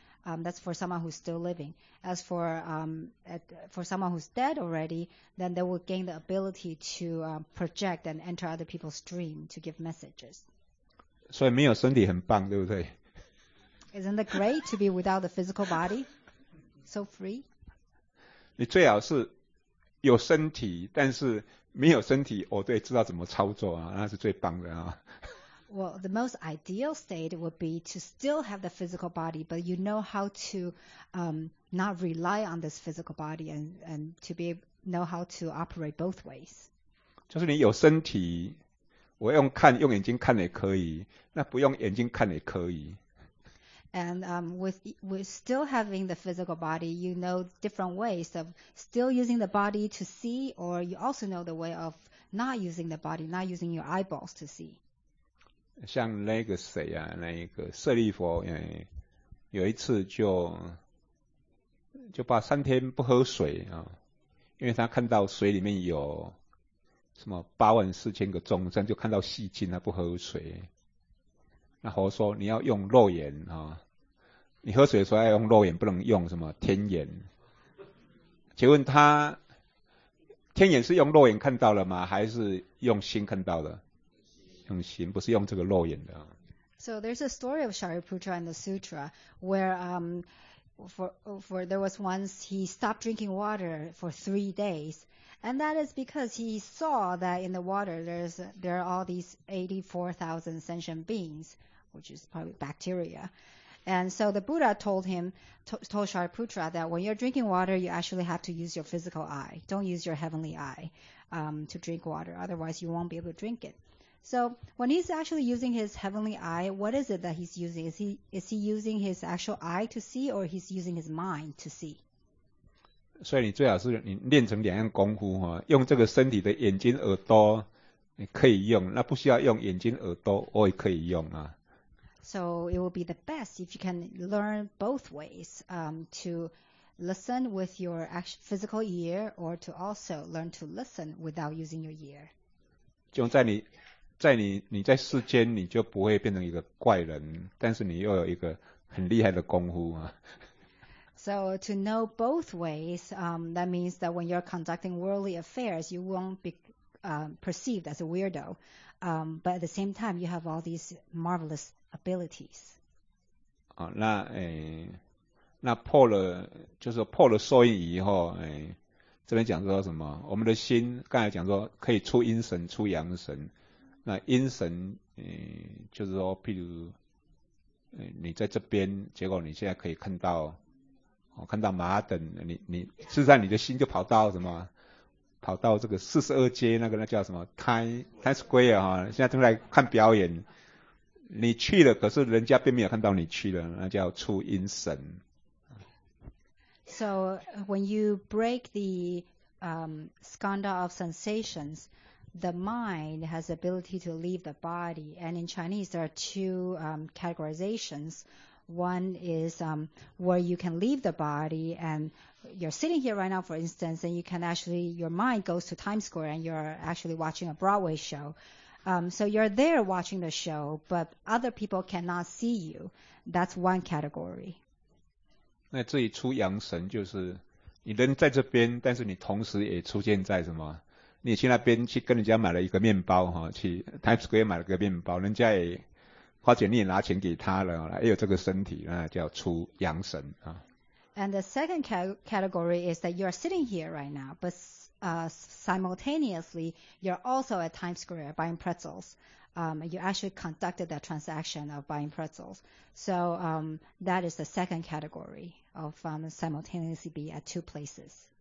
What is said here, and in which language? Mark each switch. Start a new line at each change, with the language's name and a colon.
English: That's for someone who's still living. As for someone who's dead already, then they will gain the ability to project and enter other people's dream to give messages.
Chinese: 所以没有身体很棒，对不对？
English: Isn't it great to be without the physical body? So free?
Chinese: 你最好是有身体，但是没有身体，哦，对，知道怎么操作啊，那是最棒的啊。
English: Well, the most ideal state would be to still have the physical body, but you know how to not rely on this physical body and to be know how to operate both ways.
Chinese: 就是你有身体，我用看用眼睛看也可以，那不用眼睛看也可以。
English: And with still having the physical body, you know different ways of still using the body to see, or you also know the way of not using the body, not using your eyeballs to see.
Chinese: 像那个谁啊，那个舍利佛，有一次就把三天不喝水啊，因为他看到水里面有什么84000个众生，就看到细菌，他不喝水。那佛说你要用肉眼啊，你喝水的时候要用肉眼，不能用什么天眼。请问他天眼是用肉眼看到了吗？还是用心看到的？用心，不是用这个肉眼的。
English: So there's a story of Shariputra in the sutra where for there was once he stopped drinking water for 3 days, and that is because he saw that in the water there are all these 84,000 sentient beings, which is probably bacteria. And so the Buddha told Shariputra that when you're drinking water, you actually have to use your physical eye. Don't use your heavenly eye to drink water. Otherwise, you won't be able to drink it. So when he's actually using his heavenly eye, what is it that he's using? Is he using his actual eye to see, or he's using his mind to see?
Chinese: 所以你最好是你练成两样功夫，用这个身体的眼睛耳朵你可以用，那不需要用眼睛耳朵我也可以用啊。
English: So it will be the best if you can learn both ways, to listen with your physical ear, or to also learn to listen without using your ear.
Chinese: 就在你在世间，你就不会变成一个怪人，但是你又有一个很厉害的功夫啊。
English: So to know both ways, that means that when you're conducting worldly affairs, you won't be perceived as a weirdo, but at the same time, you have all these marvelous abilities.
Chinese: 哦，那那破了，就是破了收音以后，这边讲说什么？我们的心刚才讲说可以出阴神、出阳神。那阴神，就是说，譬如，你在这边，结果你现在可以看到，看到马等，你事实上你的心就跑到什么？跑到这个42街那叫什么 Times Square 啊，现在正在看表演。你去了，可是人家并没有看到你去了，那叫出阴神。
English: So when you break the skanda of sensations, the mind has the ability to leave the body. And in Chinese, there are two categorizations. One is where you can leave the body, and you're sitting here right now, for instance, and you can actually, your mind goes to Times Square and you're actually watching a Broadway show. So you're there watching the show, but other people cannot see you. That's one category.
Chinese: 那至于出阳神，就是你人在这边，但是你同时也出现在什么？你去那边去跟人家买了一个面包哈，去 Times Square 买了个面包，人家也花钱，你也拿钱给他了，也有这个身体，那叫出阳神啊。
English: And the second category is that you are sitting here right now, but simultaneously you're also at Times Square buying pretzels. You actually conducted that transaction of buying pretzels. So that is the second category of simultaneously be at two places.